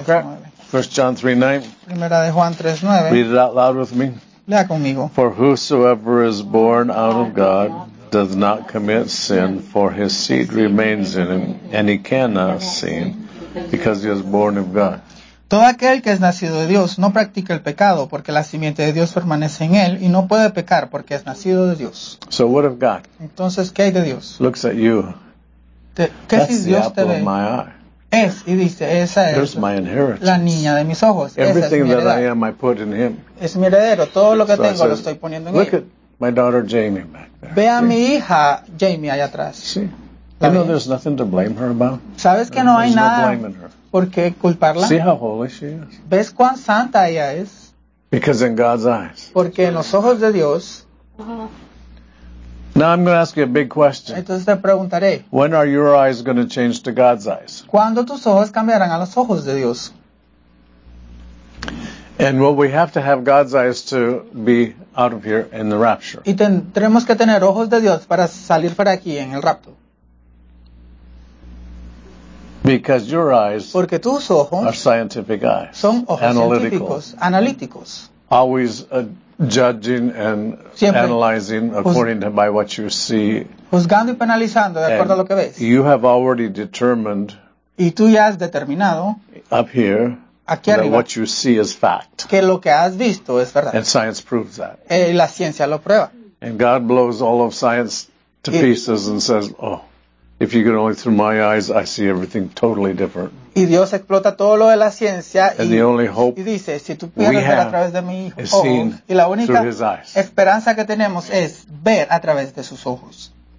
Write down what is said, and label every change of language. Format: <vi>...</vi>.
<en>Okay. 1 John 3:9.</en> <es>Primera de Juan 3:9.</es> <en>Read it out loud with me.</en> <es>Lea conmigo.</es> <en>For whosoever is born out of God does not commit sin, for his seed remains in him, and he cannot sin, because he is born of God.</en> <es>Todo aquel que es nacido de Dios no practica el pecado, porque la simiente de Dios permanece en él, y no puede pecar, porque es nacido de Dios.</es> <en>So what of God?</en> <es>Entonces, ¿qué hay de Dios?</es> <en>Looks at you.</en> <es>¿Qué si Dios te ve? Es, y dice, esa es la niña de mis ojos.</es> <en>Everything</en> <es>esa es mi</es> <en>that I am, I put in him.</en> <es>Es mi heredero, todo lo que so tengo said, lo estoy poniendo en</es> <en>look</en> <es>él.</es> <en>Look at my daughter Jamie back there.</en> <es>Ve a mi hija Jamie allá atrás.</es> <en>You know there's nothing to blame her about?</en> <es>¿Sabes que no hay nada por qué culparla?</es> <en>See how holy she is?</en> <es>¿Ves cuán santa ella es?</es> <en>Because in God's eyes.</en> <es>Porque en los ojos de Dios.</es> <en>Now I'm going to ask you a big question.</en> <es>Entonces te preguntaré.</es> <en>When are your eyes going to change to God's eyes?</en> <es>¿Cuándo tus ojos cambiarán a los ojos de Dios?</es> <en>And what we have to have God's eyes to be out of here in the rapture.</en> <es>Y tendremos que tener ojos de Dios para salir para aquí en el rapto.</es> <en>Because your eyes are scientific eyes.</en> <es>Son ojos científicos, analíticos.</es> <en>Always judging and</en> <es>siempre</es> <en>analyzing according to by what you see.</en> <es>Juzgando y penalizando de acuerdo a lo que ves.</es> <en>You have already determined.</en> <es>Y tú ya has determinado.</es> <en>Up here.</en> <es>Aquí arriba.</es> <en>That what you see is fact.</en> <es>Que lo que has visto es verdad.</es> <en>And science proves that.</en> <es>Y la ciencia lo prueba.</es> <en>And God blows all of science to pieces and says, oh. If you could only through my eyes, I see everything totally different.</en> <es>Y Dios explota todo lo de la ciencia</es> <en>and the only hope</en> <es>y dice, si tú pudieras ver a través de mi ojo, y la única esperanza que tenemos es ver a través de sus ojos.</es>